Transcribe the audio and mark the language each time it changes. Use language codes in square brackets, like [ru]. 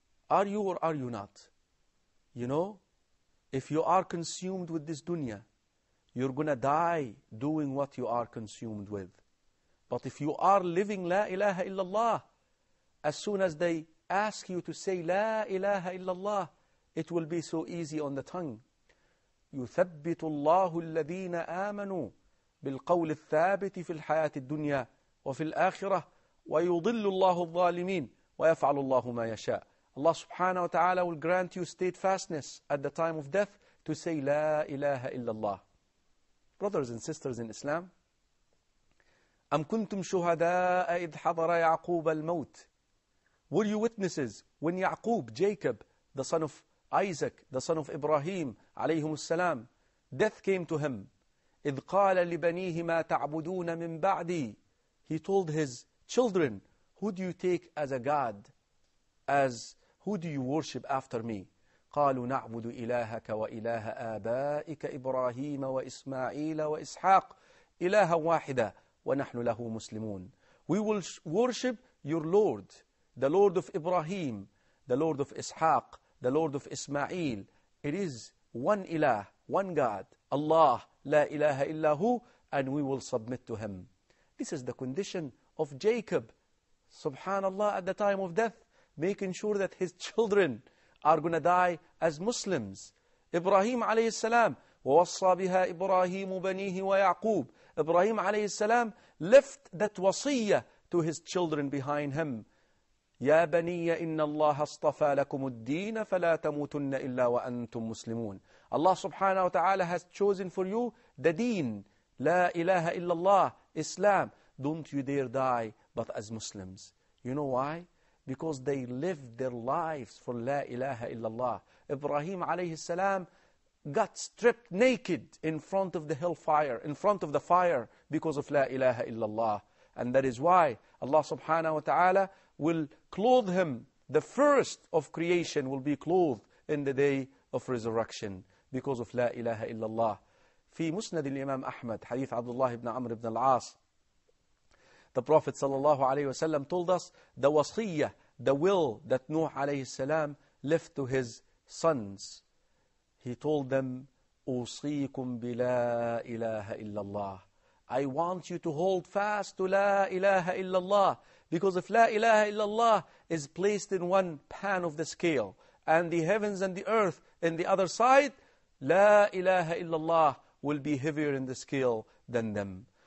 [en] Are you or are you not? You know, if you are consumed with this dunya, you're going to die doing what you are consumed with. But if you are living La ilaha illallah, as soon as they ask you to say La ilaha illallah, it will be so easy on the tongue. [ar] يثبت الله الذين آمنوا بالقول الثابت في الحياة الدنيا وفي الآخرة ويضل الله الظالمين ويفعل الله ما يشاء. [en] Allah subhanahu wa ta'ala will grant you steadfastness at the time of death to say La ilaha illallah. Brothers and sisters in Islam, [ar] أَمْ كُنْتُمْ شُهَدَاءَ إِذْ حَضَرَ يَعْقُوبَ الْمَوْتِ. [en] Were you witnesses when Ya'qub, Jacob, the son of Isaac, the son of Ibrahim, [ar] عليهم السلام, [en] death came to him. [ar] إِذْ قَالَ لِبَنِيهِ مَا تَعْبُدُونَ مِنْ بَعْدِي. [en] He told his children, who do you take as a god? As who do you worship after me? [ar] قَالُوا نَعْبُدُ إِلَهَكَ وَإِلَهَ آبَائِكَ إِبْرَاهِيمَ وَإِسْمَعِيلَ وَإِسْحَاقَ إِلَهًا وَاحِدًا وَنَحْنُ لَهُ مُسْلِمُونَ. [en] We will worship your Lord, the Lord of Ibrahim, the Lord of Ishaq, the Lord of Ismail. It is one Ilah, one God, Allah, la ilaha illa hu, and we will submit to him. This is the condition of Jacob, subhanallah, at the time of death, making sure that his children are going to die as Muslims. [ar] Ibrahim alayhi salam, وَوَصَّى بِهَا إِبْرَاهِيمُ بَنِيهِ وَيَعْقُوبُ. [en] Ibrahim alayhi salam left that wasiyah to his children behind him. [ar] يَا بَنِيَّ إِنَّ اللَّهَ اصْطَفَى لَكُمُ الدِّينَ فَلَا تَمُوتُنَّ إِلَّا وَأَنْتُمْ مُسْلِمُونَ [en] Allah subhanahu wa ta'ala has chosen for you the deen. La ilaha illallah, Islam. Don't you dare die but as Muslims. You know why? Because they lived their lives for la ilaha illallah. Ibrahim alayhi salam got stripped naked in front of the hellfire, in front of the fire because of la ilaha illallah. And that is why Allah subhanahu wa ta'ala will clothe him. The first of creation will be clothed in the day of resurrection because of la ilaha illallah. [ar] في مسند الإمام أحمد حديث عبد الله بن عمرو بن العاص [en] The Prophet sallallahu alayhi wasallam told us the wasiyya, the will that Nuh alayhi salam left to his sons. He told them, [ar] أوصيكم بلا إله إلا الله. [en] I want you to hold fast to la ilaha illallah. Because if la ilaha illallah is placed in one pan of the scale and the heavens and the earth in the other side, la ilaha illallah will be heavier in the scale than them.